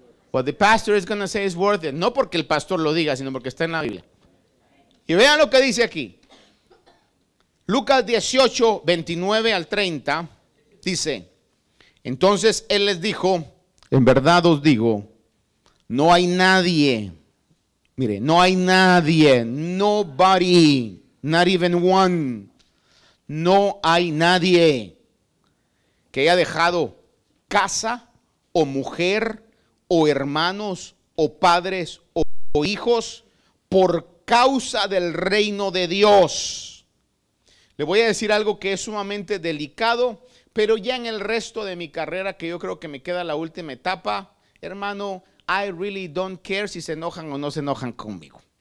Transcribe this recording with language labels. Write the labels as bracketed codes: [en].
[en] What the pastor is going to say is worth it. [es] No porque el pastor lo diga, sino porque está en la Biblia. Y vean lo que dice aquí. Lucas 18:29 al 30 dice: entonces él les dijo: en verdad os digo, no hay nadie. Mire, no hay nadie, [en] nobody, not even one. [es] No hay nadie que haya dejado casa o mujer o hermanos o padres o hijos por causa del reino de Dios. Le voy a decir algo que es sumamente delicado, pero ya en el resto de mi carrera, que yo creo que me queda la última etapa, hermano, [en] I really don't care [es] si se enojan o no se enojan conmigo.